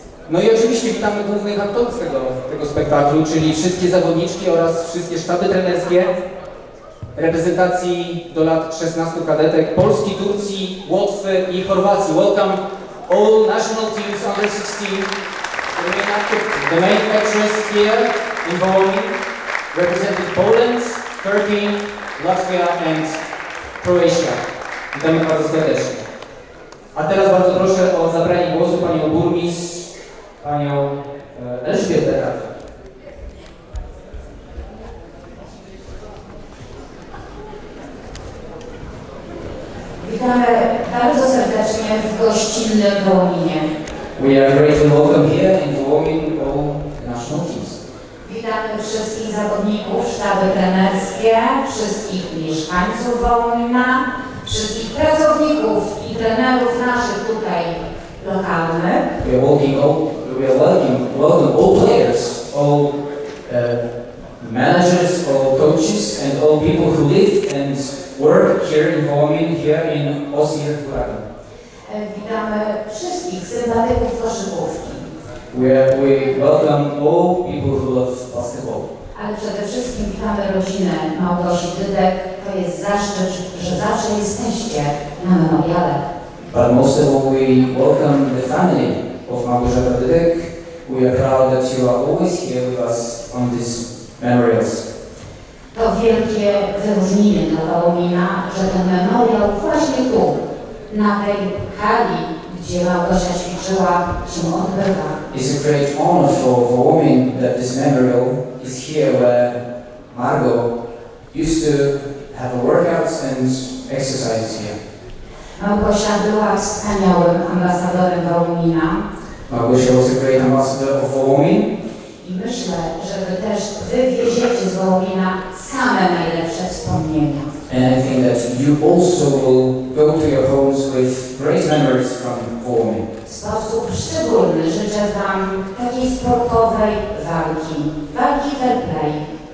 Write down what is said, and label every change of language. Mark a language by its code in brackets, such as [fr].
[pl] No i oczywiście witamy głównych aktorów tego spektaklu, czyli wszystkie zawodniczki oraz wszystkie sztaby trenerskie reprezentacji do lat 16 kadetek Polski, Turcji, Łotwy i Chorwacji. [en] Welcome all national teams under 16. The main countries here involving represented Poland, Turkey, Latvia and Croatia. [pl] Witamy bardzo serdecznie. A teraz bardzo proszę o zabranie głosu panią burmistrz, panią Elżbietę Radę. Witamy bardzo serdecznie w gościnnym Wołominie. [en] We are great to welcome here in Wołomin all national teams. [pl] Witamy wszystkich zawodników, sztaby trenerskie, wszystkich mieszkańców Wołomina, wszystkich pracowników i trenerów naszych tutaj lokalnych. [en] We are welcome all players, all managers, all coaches and all people who live and work here in Wołomin, here in Osier, Kuraka. [pl] Witamy wszystkich sympatyków koszykówki. [en] We welcome all people who love basketball. [pl] Ale przede wszystkim witamy rodzinę Małgosi Dydek. To jest zaszczyt, że zawsze jesteście na memoriale. [en] But most of all, we welcome the family of Małgorzata Dydek. We are proud that you are always here with us on these memorials. [pl] To wielkie wyróżnienie dla Wołomina, że ten memoriał właśnie tu, na tej hali, gdzie Małgosia ćwiczyła, się odbywa. [en] It's a great honor for Wołomin that this memorial is here where Margot used to have workouts and exercises here. [pl] Małgosia była wspaniałym ambasadorem Wołomina. [en] Małgosia was a great ambassador of Wołomin. [pl] I myślę, że wy też wywieziecie z Wołomina same najlepsze wspomnienia. [en] And I think that you also will go to your homes with great memories from Wołomin. [pl] W sposób szczególny życzę wam takiej sportowej walki, walki fair play.